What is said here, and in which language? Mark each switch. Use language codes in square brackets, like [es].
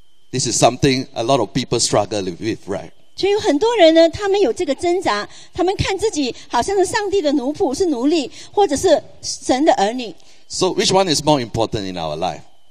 [en] This is something a lot of people struggle with, right? [zh] 所以有很多人呢, 他们有这个挣扎, 他们看自己好像是上帝的奴仆, 是奴隶, 或者是神的儿女。 [en] So, which one is more important in our life?